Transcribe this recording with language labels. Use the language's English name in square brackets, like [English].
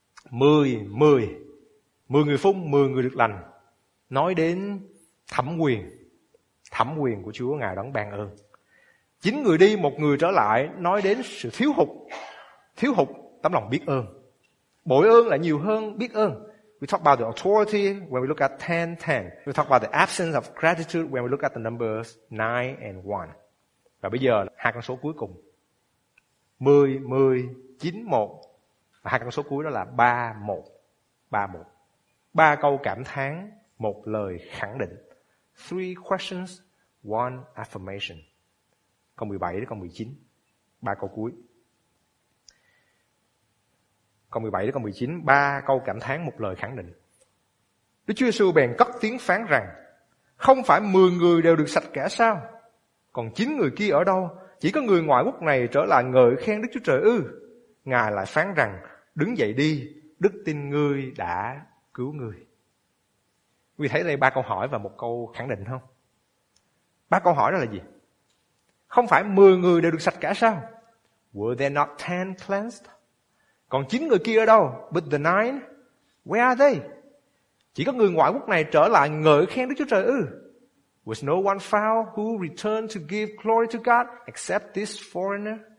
[Vietnamese] 10 người phúc, 10 người được lành. Nói đến thẩm quyền của Chúa, Ngài đón ban ơn. 9 người đi, 1 người trở lại, nói đến sự thiếu hụt tấm lòng biết ơn. Bội ơn là nhiều hơn biết ơn. [English] We talk about the authority when we look at 10-10. We talk about the absence of gratitude when we look at the numbers 9 and 1. [Vietnamese] Và bây giờ là 2 con số cuối cùng. 10-10-9-1. Và 2 con số cuối đó là 3-1. 3 câu cảm thán, 1 lời khẳng định. [English] 3 questions, 1 affirmation. [Vietnamese] Câu 17 đến câu 19. 3 câu cuối. Câu 17 đến câu 19, 3 câu cảm thán, 1 lời khẳng định. Đức Chúa Giêsu bèn cất tiếng phán rằng, không phải 10 người đều được sạch cả sao? Còn 9 người kia ở đâu? Chỉ có người ngoại quốc này trở lại ngợi khen Đức Chúa Trời ư? Ngài lại phán rằng, đứng dậy đi, đức tin ngươi đã cứu ngươi. Quý vị thấy đây 3 câu hỏi và 1 câu khẳng định không? 3 câu hỏi đó là gì? Không phải 10 người đều được sạch cả sao? [English] Were there not 10 cleansed? [Vietnamese] Còn 9 người kia ở đâu? [English] But the 9, where are they? [Vietnamese] Chỉ có người ngoại quốc này trở lại ngợi khen Đức Chúa Trời ư? [English] Was no one found who returned to give glory to God except this foreigner?